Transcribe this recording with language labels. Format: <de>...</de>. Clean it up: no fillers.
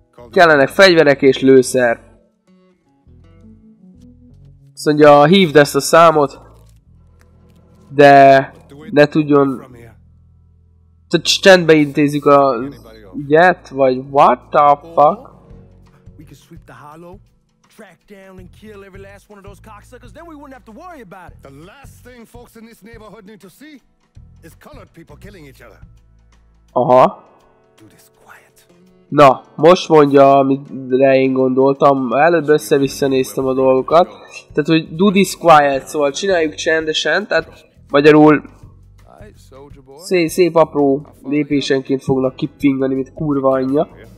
<hu>Kellenek fegyverek és lőszer. Azt mondja, hívd ezt a számot, de ne tudjon... Tehát csendbe intézzük a jet, vagy</hu> <en>what the fuck? We can sweep the hollow, track down and kill every last one of those cocksuckers, then we wouldn't have to worry about it. The last thing folks in this neighborhood need to see is colored people killing each other. Aha. Do this quiet.</en> <hu>Na, most mondja, amire én gondoltam. Előbb össze-vissza néztem a dolgokat. Tehát, hogy</hu> <en>do this quiet,</en> <hu>szóval csináljuk csendesen, tehát magyarul szép apró lépésenként fognak kippingani, mint kurva anyja.</hu>